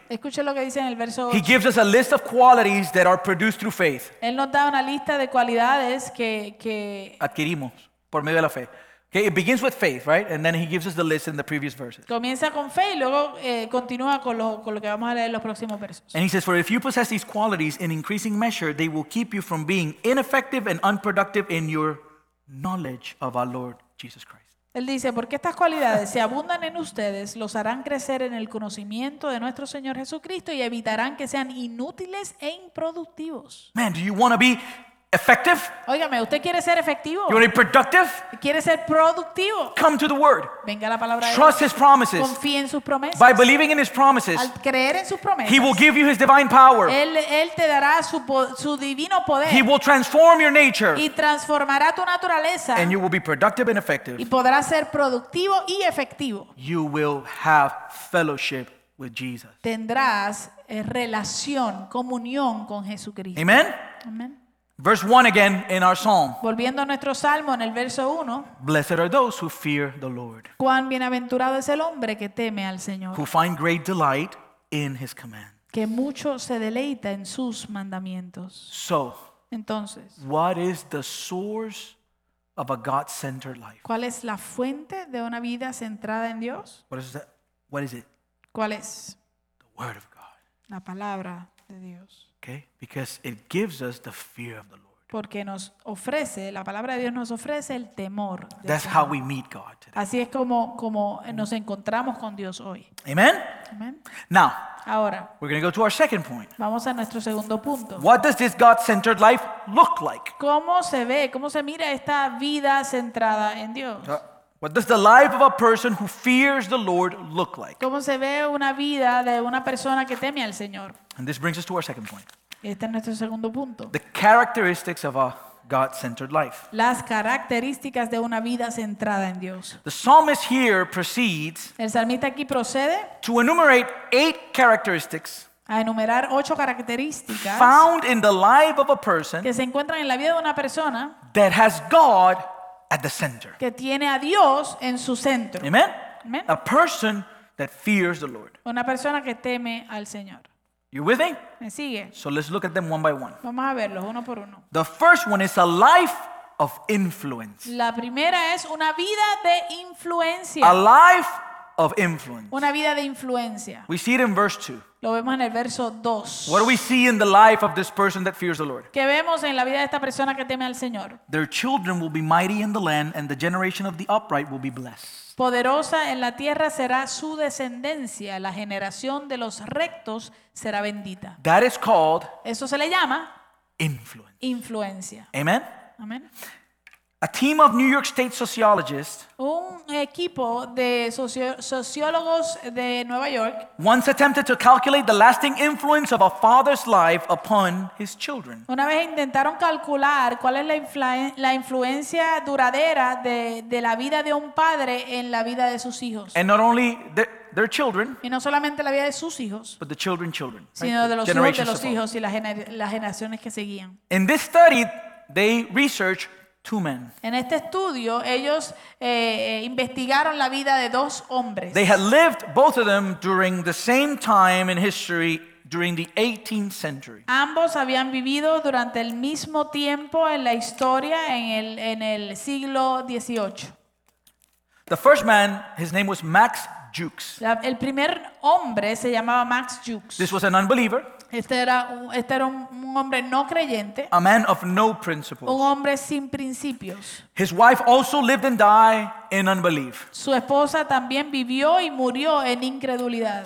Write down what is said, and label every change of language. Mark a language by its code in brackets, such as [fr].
[es] Escuche lo que dice en el verso 8. [en] He gives us a list of qualities that are produced through faith. [es] Él nos da una lista de cualidades que adquirimos por medio de la fe. [en] Okay, it begins with faith, right? And then he gives us the list in the previous verses. [es] Comienza con fe y luego continúa con lo que vamos a leer en los próximos versos. [en] And he says, for if you possess these qualities in increasing measure, they will keep you from being ineffective and unproductive in your knowledge of our Lord Jesus Christ. [es] Él dice, porque estas cualidades se abundan en ustedes, los harán crecer en el conocimiento de nuestro Señor Jesucristo y evitarán que sean inútiles e improductivos. [en] Man, do you want to be effective? [es] Óigame, ¿usted quiere ser efectivo? [en] You want to be productive? [es] ¿Quiere ser productivo? [en] Come to the word. [es] Venga la palabra de Dios. [en] Trust his promises. [es] Confíe en sus promesas. [en] By believing in his promises, [es] al creer en sus promesas, [en] he will give you his divine power. [es] Él te dará su divino poder. [en] He will transform your nature. [es] Y transformará tu naturaleza. [en] And you will be productive and effective. [es] Y podrás ser productivo y efectivo. [en] You will have fellowship with Jesus. [es] Tendrás relación, comunión con Jesucristo. [en] Amen. [es] Amen. [en] Verse 1 again in our psalm. [es] Volviendo a nuestro salmo en el verso 1. [en] Blessed are those who fear the Lord. [es] Cuán bienaventurado es el hombre que teme al Señor. [en] Who find great delight in his command. [es] Que mucho se deleita en sus mandamientos. [en] So, [es] entonces, [en] what is the source of a God-centered life? [es] ¿Cuál es la fuente de una vida centrada en Dios? [en] What is that? What is it? [es] ¿Cuál es? [en] The word of God. [es] La palabra de Dios. [en] Okay? Because it gives us the fear of the Lord. [es] Porque nos ofrece, la palabra de Dios nos ofrece el temor. [en] That's how we meet God today. [es] Así es como nos encontramos con Dios hoy. [en] Amen? [es] Amen. [en] Now, [es] ahora, [en] we're going to go to our second point. [es] Vamos a nuestro segundo punto. [en] What does this God-centered life look like? [es] ¿Cómo se ve? ¿Cómo se mira esta vida centrada en Dios? [en] What does the life of a person who fears the Lord look like? [es] ¿Cómo se ve una vida de una persona que teme al Señor? [en] And this brings us to our second point. [es] Este es nuestro segundo punto. [en] The characteristics of a God-centered life. [es] Las características de una vida centrada en Dios. [en] The psalmist here proceeds. [es] El salmista aquí procede. [en] To enumerate 8 characteristics. [es] A enumerar 8 características. [en] Found in the life of a person. [es] Que se encuentran en la vida de una persona. [en] That has God at the center. [es] Que tiene a Dios en su centro. [en] Amen. [es] Amen. [en] A person that fears the Lord. [es] Una persona que teme al Señor. [en] You with me? [es] Me sigue. [en] So let's look at them one by one. [es] Vamos a verlos uno por uno. [en] The first one is a life of influence. [es] La primera es una vida de influencia. [en] A life of influence. [es] Una vida de influencia. [en] We see it in verse 2. [es] Lo vemos en el verso 2. [en] What do we see in the life of this person that fears the Lord? [es] ¿Qué vemos en la vida de esta persona que teme al Señor? [en] Their children will be mighty in the land, and the generation of the upright will be blessed. [es] Poderosa en la tierra será su descendencia, la generación de los rectos será bendita. [en] That is called. [es] Eso se le llama [en] influence. [es] Influencia. [en] Amen. [es] Amen. [en] A team of New York State sociologists. [es] Un equipo de sociólogos de Nueva York. [en] Once attempted to calculate the lasting influence of a father's life upon his children. [es] Una vez intentaron calcular cuál es la influencia duradera de la vida de un padre en la vida de sus hijos. [en] And not only their children. [es] Y no solamente la vida de sus hijos. [en] But the children. [es] Sino De los hijos de los hijos y las generaciones que seguían. [en] In this study, they researched. Two men. [es] En este estudio, ellos investigaron la vida de dos hombres. [en] They had lived both of them during the same time in history, during the 18th century. [es] Ambos habían vivido durante el mismo tiempo en la historia, en el siglo XVIII. [en] The first man, his name was Max Jukes. [es] El primer hombre se llamaba Max Jukes. [en] This was an unbeliever. [es] Este era un hombre no creyente. [en] A man of no principles. [es] Un hombre sin principios. [en] His wife also lived and died in unbelief. [es] Su esposa también vivió y murió en incredulidad.